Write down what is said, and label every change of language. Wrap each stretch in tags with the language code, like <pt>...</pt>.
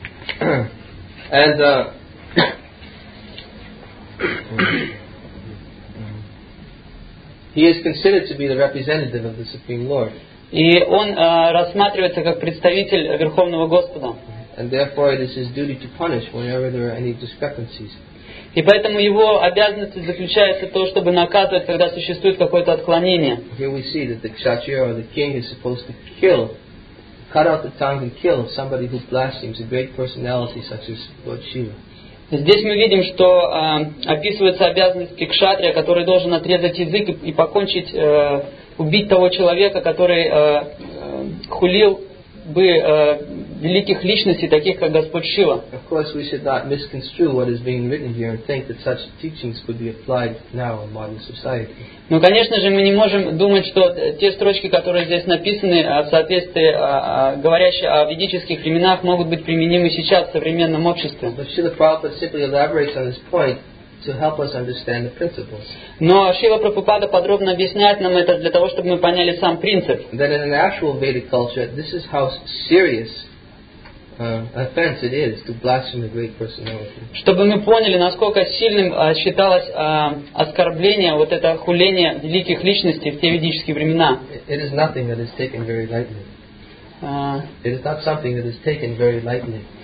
<en>And he is considered to be the representative of the Supreme Lord.</en> <ru>И он рассматривается как представитель Верховного Господа.</ru> <en>And therefore it is his duty to punish whenever there are any discrepancies.</en> <ru>И поэтому его обязанность заключается в том, чтобы наказывать, когда существует какое-то отклонение.</ru> <en>Here we see that the kshatriya or the king is supposed to kill, cut out the tongue and kill somebody who blasphemes a great personality such as Lord Shiva.</en> <ru>Здесь мы видим, что описывается обязанность кшатрия, который должен отрезать язык и покончить, убить того человека, который хулил бы великих личностей, таких как Господь Шива.</ru> <en>Of course, we should not misconstrue what is being written here and think that such teachings could be applied now in modern society.</en> <ru>Но, конечно же, мы не можем думать, что те строчки, которые здесь написаны, в соответствии, говорящие о ведических временах, могут быть применимы сейчас в современном обществе.</ru> <en>But Srila Prabhupada simply elaborates on this point to help us understand the principles.</en> <ru>Но Шрила Прабхупада подробно объясняет нам это для того, чтобы мы поняли сам принцип.</ru> <en>That in an actual Vedic culture, this is how serious offense it is to blaspheme a great personality.</en> <ru>Чтобы мы поняли, насколько сильным считалось оскорбление, вот это хуление великих личностей в те ведические времена.</ru> <en>It is nothing that is taken very lightly. It is not something that is taken very lightly.</en>